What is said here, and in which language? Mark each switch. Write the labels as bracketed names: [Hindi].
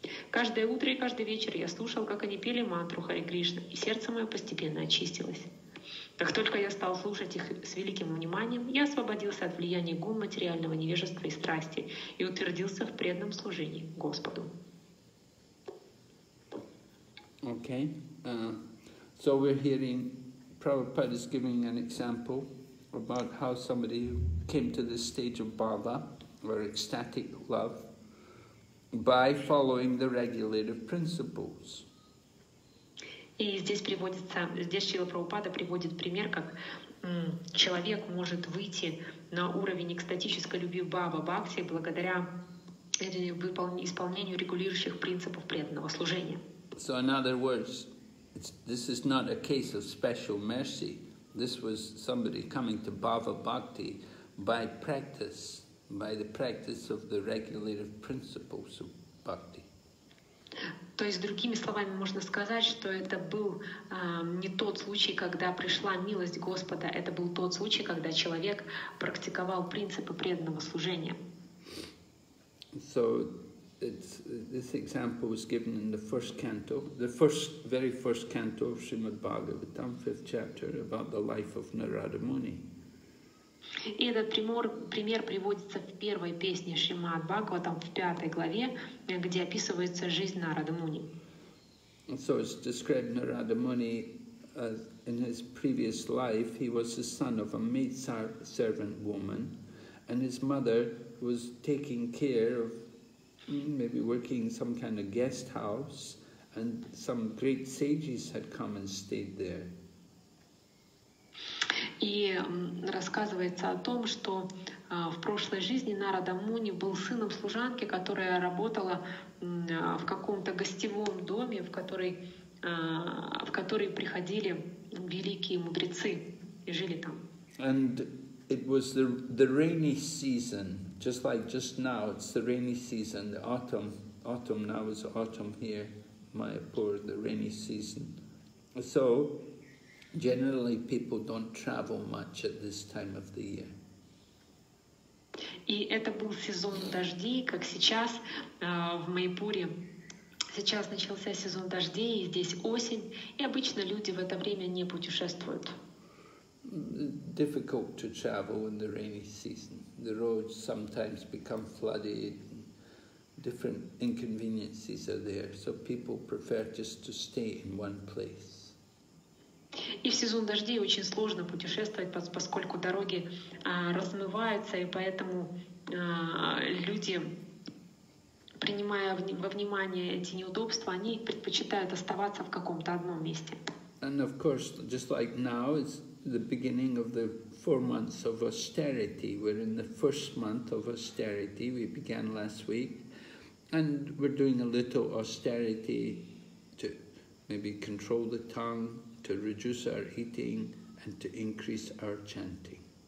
[Russian] Каждое утро и каждый вечер я слушал, как они пели мантру Харе Кришна, и сердце мое постепенно очистилось. Как только я стал слушать их с великим вниманием, я освободился от влияния гун материального невежества и страсти и утвердился в преданном служении Господу. [English] Okay. So we're hearing Prabhupada is giving an example about how somebody came to this stage of bhava, or ecstatic love, by following the regulative principles. [Russian] И здесь приводится, здесь Шрила Прабхупада приводит пример, как человек может выйти на уровень экстатической любви бхава-бхакти благодаря исполнению регулирующих принципов преданного служения. [English] So in other words, this is not a case of special mercy. This was somebody coming to bhava-bhakti by the practice of the regulative principles of bhakti. [Russian] То есть, другими словами, можно сказать, что это был не тот случай, когда пришла милость Господа, это был тот случай, когда человек практиковал принципы преданного служения. [English] So, this example was given in the first canto, the first, very first canto of Srimad Bhagavatam, fifth chapter, about the life of Narada Muni. [Russian] И этот пример приводится в первой песне Шримад Бхагаватам, в пятой главе, где описывается жизнь Нарада Муни. [English] So it's described Narada Muni in his previous life, he was the son of a maidservant woman, and his mother was taking care of, maybe working in some kind of guest house, and some great sages had come and stayed there. [Russian] И рассказывается о том, что в прошлой жизни Нарада Муни был сыном служанки, которая работала в каком-то гостевом доме, в который приходили великие мудрецы и жили там. [English] And it was the rainy season, just like just now, it's the rainy season, the autumn, now is autumn here, Mayapur, the rainy season. So, generally, people don't travel much at this time of the year. [Russian] И это был сезон дождей, как сейчас в Майпуре. Сейчас начался сезон дождей, и здесь осень, и обычно люди в это время не путешествуют. [English] Difficult to travel in the rainy season. The roads sometimes become flooded. Different inconveniences are there, so people prefer just to stay in one place. [Russian] И в сезон дождей очень сложно путешествовать, поскольку дороги размываются, и поэтому люди, принимая во внимание эти неудобства, они предпочитают оставаться в каком-то одном месте. [English] And of course, just like now, it's the beginning of the 4 months of austerity. We're in the first month of austerity. We began last week, and we're doing a little austerity to maybe control the tongue, to reduce our eating and to increase our chanting.